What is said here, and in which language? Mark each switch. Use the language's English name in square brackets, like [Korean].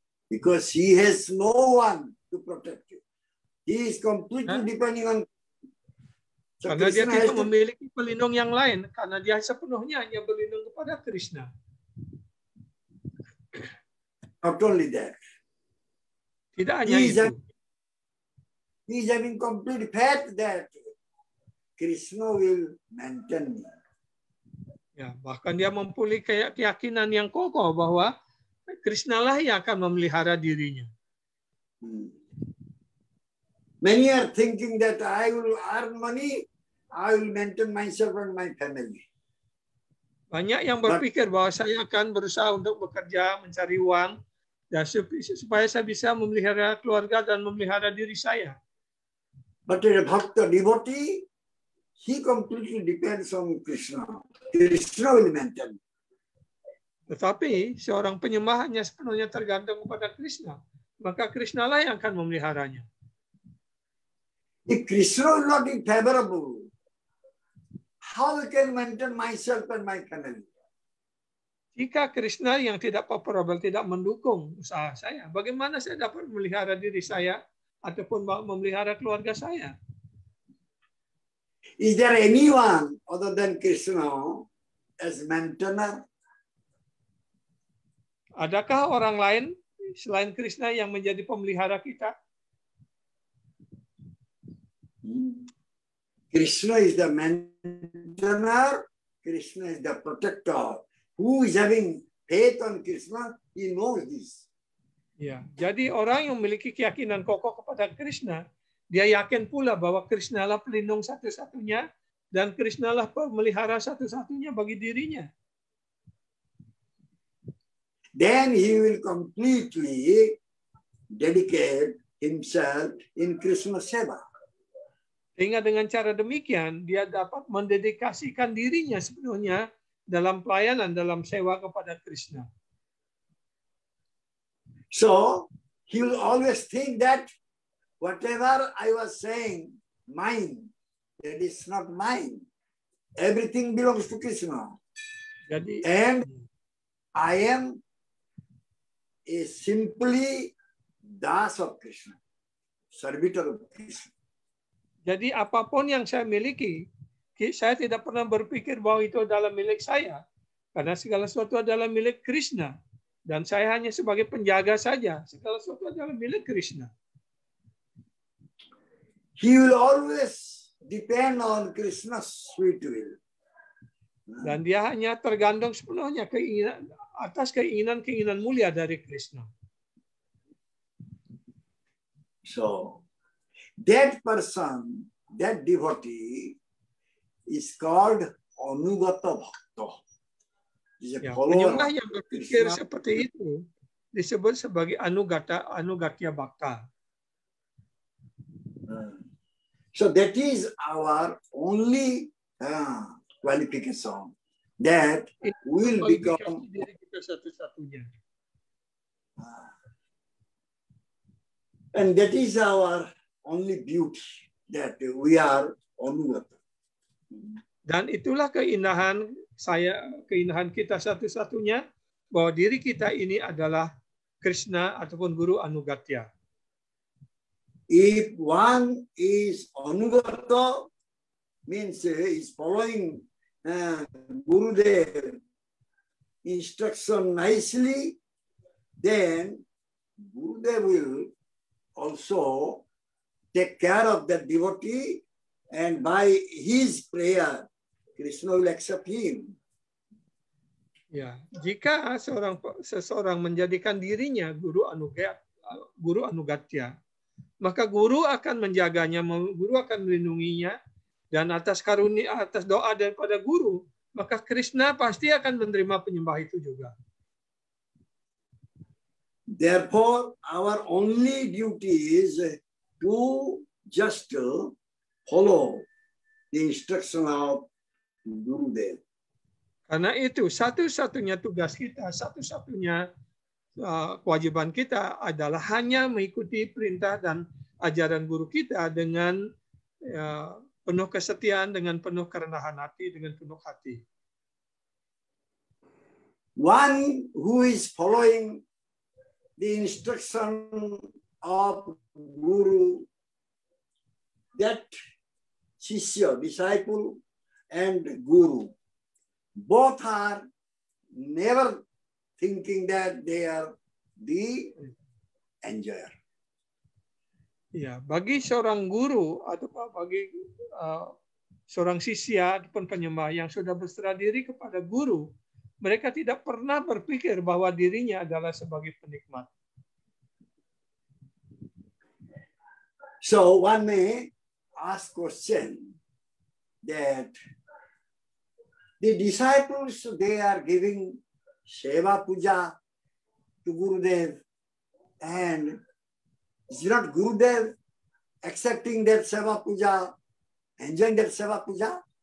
[English] Because he has no one to protect you. He is completely depending on. [Indonesian] So karena Krishna, dia tidak memiliki pelindung yang lain karena dia sepenuhnya hanya berlindung kepada Krishna. [English] Not only that. [Indonesian] Tidak hanya itu. [English] He is having complete faith that Krishna will maintain me. [Indonesian] Ya, bahkan dia mempunyai keyakinan yang kokoh bahwa Krishna lah yang akan memelihara dirinya. [English] Many are thinking that I will earn money, I will maintain myself and my family. [Indonesian] Banyak yang berpikir bahwa saya akan berusaha untuk bekerja, mencari uang, dan supaya saya bisa memelihara keluarga dan memelihara diri saya. [English] But a bhakta devotee, he completely depends on Krishna. Krishna will maintain. [Indonesian] Tetapi seorang penyembah hanya sepenuhnya tergantung kepada Krishna, maka Krishna lah yang akan memeliharanya. [English] If Krishna is not favorable, how can I maintain myself and my family? [Indonesian] Jika Krishna yang tidak favorable, tidak mendukung usaha saya, bagaimana saya dapat memelihara diri saya ataupun memelihara keluarga saya? [English] Is there anyone other than Krishna as maintainer? [Indonesian] Adakah orang lain selain Krishna yang menjadi pemelihara kita? [English] Krishna is the maintainer, Krishna is the protector. Who is having faith on Krishna, he knows this. [Indonesian] Ya, jadi orang yang memiliki keyakinan kokoh kepada Krishna, Dia yakin pula bahwa Krishna lah pelindung satu-satunya dan Krishna lah pemelihara satu-satunya bagi dirinya. [English] Then he will completely dedicate himself in Krishna seva. [Indonesian] Sehingga dengan cara demikian dia dapat mendedikasikan dirinya sepenuhnya dalam pelayanan, dalam sewa kepada Krishna. [English] So he will always think that whatever I was saying, mine, it is not mine. Everything belongs to Krishna. [Indonesian] Jadi, [English] and I am a simply das of Krishna, servitor of Krishna. [Indonesian] Jadi apapun yang saya miliki, saya tidak pernah berpikir bahwa itu adalah milik saya. Karena segala sesuatu adalah milik Krishna. Dan saya hanya sebagai penjaga saja. Segala sesuatu adalah milik Krishna. [English] He will always depend on Krishna's sweet will. [Indonesian] Dan dia hanya tergantung sepenuhnya keinginan, atas keinginan-keinginan mulia dari Krishna. [English] So, that person, that devotee, is called Anugata Bhakta. [Indonesian] Penyembah yang berpikir seperti itu disebut sebagai Anugata, Anugatya Bhakta. [English] So that is our only qualification that will become [Indonesian] satu-satunya. [English] And that is our only beauty that we are Anugata. [Indonesian] Dan itulah keindahan saya, keindahan kita satu-satunya, bahwa diri kita ini adalah Krishna ataupun Guru Anugatya. [English] If one is Anugata, means he is following Gurudev instruction nicely, then Gurudev will also take care of that devotee. And by his prayer, Krishna will accept him. [Indonesian] Ya, jika seseorang menjadikan dirinya guru Anugatya, maka guru akan menjaganya, guru akan melindunginya, dan atas karunia, atas doa daripada guru, maka Krishna pasti akan menerima penyembah itu juga. [English] Therefore, our only duty is to just follow the instruction of Gurudev. [Indonesian] Karena itu, satu-satunya tugas kita, satu-satunya kewajiban kita adalah hanya mengikuti perintah dan ajaran guru kita dengan penuh kesetiaan, dengan penuh kerendahan hati, dengan penuh hati. [English] One who is following the instruction of guru, that shishya, disciple, and guru, both are never thinking that they are the enjoyer. [Indonesian] Ya, bagi seorang guru atau bagi seorang sisya ataupun penyembah yang sudah berserah diri kepada guru, mereka tidak pernah berpikir bahwa dirinya adalah sebagai penikmat. [English] So one may ask question that the disciples, they are giving seva puja to Gurudev, and is not Gurudev accepting that seva puja, enjoying that seva puja?